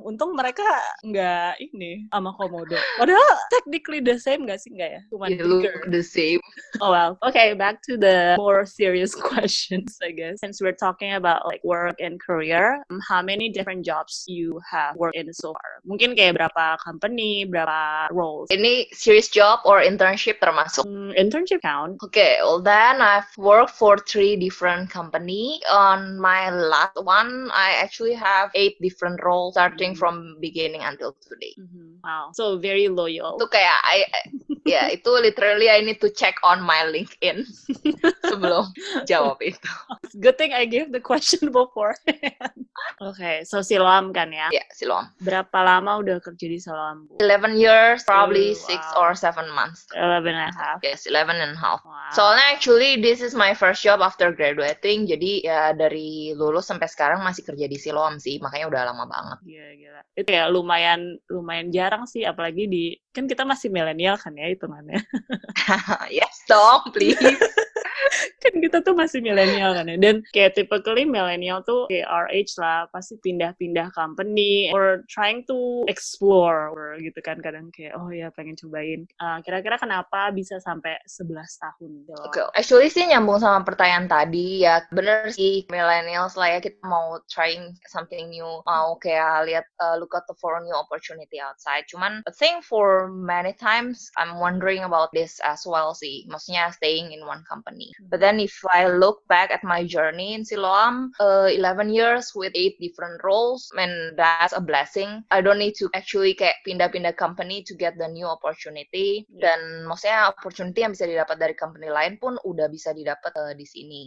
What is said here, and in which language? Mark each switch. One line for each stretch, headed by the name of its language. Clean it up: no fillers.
Indonesian: Untung mereka nggak ini sama Komodo. Padahal
English: technically the same
Indonesian: nggak sih, nggak ya? Cuman
English: you look bigger. The same. Oh well. Okay, back to the more serious questions, I guess. Since we're talking about like work and career, how many different jobs you have worked in so far?
Indonesian: Mungkin kayak berapa company, berapa roles?
English: Any serious job or internship
Indonesian: termasuk?
English: Internship count. Okay, well then I've worked for 3 different company. On my last one, I actually have 8 different roles starting from beginning until today. Mm-hmm. Wow, so very loyal. Itu kayak itu literally I need to check on my LinkedIn
Indonesian: sebelum jawab itu.
English: Good thing I gave the question beforehand. Okay, so Siloam
Indonesian: kan ya?
English: Yeah, Siloam.
Indonesian: Berapa lama udah kerja di Siloam?
English: 11 years, probably 6 or 7 months. 11 and a half. Yes, 11 and a half. Wow. So actually this is my first job after graduating.
Indonesian: Jadi ya dari lulus sampai sekarang masih kerja di Siloam sih, makanya udah lama banget. Gila. Itu ya lumayan jarang sekarang sih, apalagi di, kan kita masih milenial kan ya, hitungannya.
English: Yes dong, please.
Indonesian: Kan kita tuh masih milenial kan ya, dan kayak typically milenial tuh kayak
English: our age
Indonesian: lah, pasti pindah-pindah company,
English: or trying to explore,
Indonesian: or gitu kan, kadang kayak, oh ya pengen cobain. Kira-kira kenapa bisa sampai 11 tahun? Okay. Actually sih nyambung sama pertanyaan tadi, ya bener sih, millennials lah ya, kita mau
English: trying something new,
Indonesian: mau kayak lihat
English: look out for new opportunity outside. Cuman, I think for many times, I'm wondering about this as well sih,
Indonesian: maksudnya
English: staying in one company. But then if I look back at my journey in Siloam, 11 years with 8 different roles, man, that's a blessing. I don't need to actually
Indonesian: kayak pindah-pindah
English: company to get the new opportunity.
Indonesian: Dan maksudnya opportunity yang bisa didapat dari company lain pun udah bisa didapat di sini.